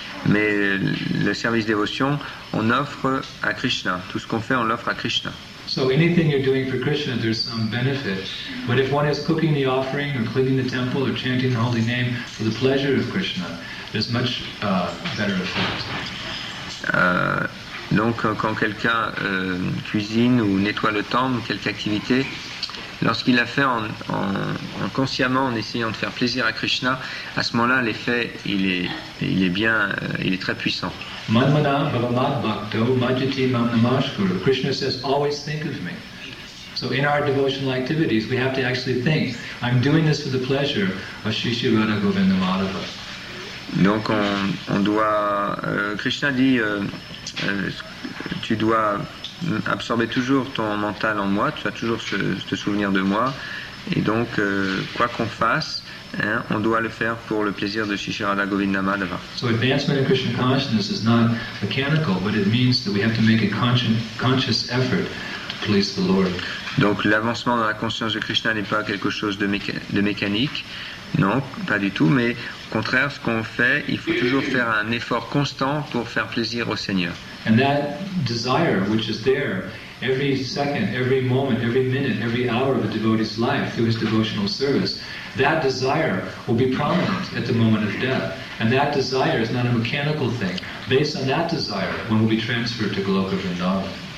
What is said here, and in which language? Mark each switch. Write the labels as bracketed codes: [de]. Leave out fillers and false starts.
[fr] Mais le service dévotion, on offre à Krishna. Tout ce qu'on fait, on l'offre à Krishna. [en] So anything you're doing for Krishna, there's some benefit. But if one is cooking the offering, or cleaning the temple, or chanting the holy name for the pleasure of Krishna, there's much better effect. [fr] Donc, quand quelqu'un cuisine ou nettoie le temple, quelque activité, lorsqu'il l'a fait en consciemment, en essayant de faire plaisir à Krishna, à ce moment-là, l'effet, il est très puissant. [sa] Manmana bhavamad bhakto majati mamnamashkuru. [en] Krishna says, always think of me. So in our devotional activities, we have to actually think, I'm doing this for the pleasure of Sri Sri Radha Govinda Madhava. [fr] Donc on doit, Krishna dit, tu dois absorber toujours ton mental en moi, tu dois toujours te souvenir de moi, et donc quoi qu'on fasse, hein, on doit le faire pour le plaisir de Sri Radha Govinda Madhava. [en] So advancement in Krishna consciousness is not mechanical, but it means that we have to make a conscious effort to please the Lord. [fr] Donc l'avancement dans la conscience de Krishna n'est pas quelque chose de mécanique, non, pas du tout, mais au contraire, ce qu'on fait, il faut toujours faire un effort constant pour faire plaisir au Seigneur. [en] And that desire which is there every second, every moment, every minute, every hour of a devotee's life through his devotional service, that desire will be prominent at the moment of death. And that desire is not a mechanical thing. Based on that desire, one will be transferred to Goloka Vrindavan.